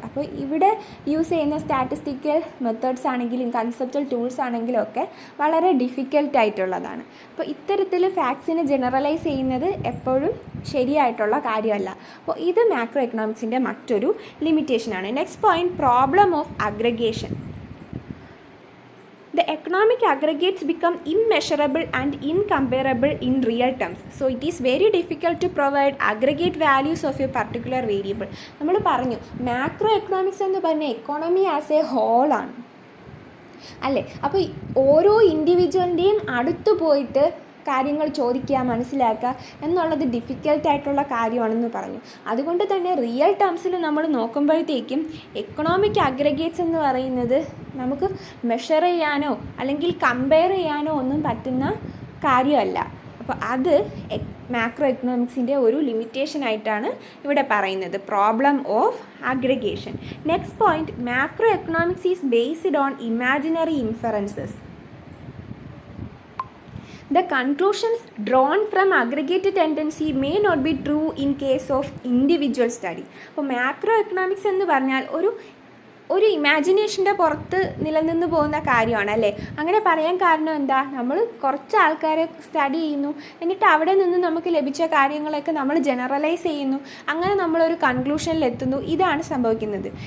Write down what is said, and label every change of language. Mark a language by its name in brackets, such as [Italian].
[Malayalam] അപ്പോൾ ഇവിടെ യൂസ് ചെയ്യുന്ന സ്റ്റാറ്റിസ്റ്റിക്കൽ മെത്തേഡ്സ് ആണെങ്കിലും കൺസെപ്ച്വൽ ടൂൾസ് ആണെങ്കിലും ഒക്കെ വളരെ ഡിഫിക്കൽട്ട് ആയിട്ടുള്ളതാണ്. അപ്പോൾ ഇത്തരത്തിൽ ഫാക്ട്സിനെ ജനറലൈസ് ചെയ്യുന്നത് എപ്പോഴും ശരിയായിട്ടുള്ള കാര്യമല്ല. അപ്പോൾ ഇത് മാക്രോ എക്കണോമിക്സിൻ്റെ മറ്റൊരു ലിമിറ്റേഷനാണ്. [English] Next point, problem of aggregation. The economic aggregates become immeasurable and incomparable in real terms. So it is very difficult to provide aggregate values of a particular variable. [Malayalam] നമ്മൾ പറഞ്ഞു മാക്രോഎക്കണോമിക്സ് എന്ന് പറഞ്ഞ എക്കോണമി ആസ് എ ഹോൾ ആണ് അല്ലേ. അപ്പോൾ ഓരോ ഇൻഡിവിജ്വലിൻ്റെയും അടുത്ത് പോയിട്ട് കാര്യങ്ങൾ ചോദിക്കുക, മനസ്സിലാക്കുക എന്നുള്ളത് ഡിഫിക്കൽട്ട് ആയിട്ടുള്ള കാര്യമാണെന്ന് പറഞ്ഞു. അതുകൊണ്ട് തന്നെ റിയൽ ടേംസിൽ നമ്മൾ നോക്കുമ്പോഴത്തേക്കും എക്കണോമിക് അഗ്രഗേറ്റ്സ് എന്ന് പറയുന്നത് നമുക്ക് മെഷർ ചെയ്യാനോ അല്ലെങ്കിൽ കമ്പയർ ചെയ്യാനോ ഒന്നും പറ്റുന്ന കാര്യമല്ല. അപ്പോൾ അത് മാക്രോ എക്കണോമിക്സിൻ്റെ ഒരു ലിമിറ്റേഷനായിട്ടാണ് ഇവിടെ പറയുന്നത്, problem of aggregation. [English] Next point, macro economics is based on imaginary inferences. The conclusions drawn from aggregated tendency may not be true in case of individual study. [Malayalam] അപ്പോൾ മാക്രോ എക്കണോമിക്സ് എന്ന് പറഞ്ഞാൽ ഒരു ഇമാജിനേഷൻ്റെ പുറത്ത് നിലനിന്ന് പോകുന്ന കാര്യമാണ് അല്ലേ. അങ്ങനെ പറയാൻ കാരണം എന്താ, നമ്മൾ കുറച്ച് ആൾക്കാരെ സ്റ്റഡി ചെയ്യുന്നു, എന്നിട്ട് അവിടെ നിന്ന് നമുക്ക് ലഭിച്ച കാര്യങ്ങളൊക്കെ നമ്മൾ ജനറലൈസ് ചെയ്യുന്നു, അങ്ങനെ നമ്മളൊരു കൺക്ലൂഷനിലെത്തുന്നു. ഇതാണ് സംഭവിക്കുന്നത്.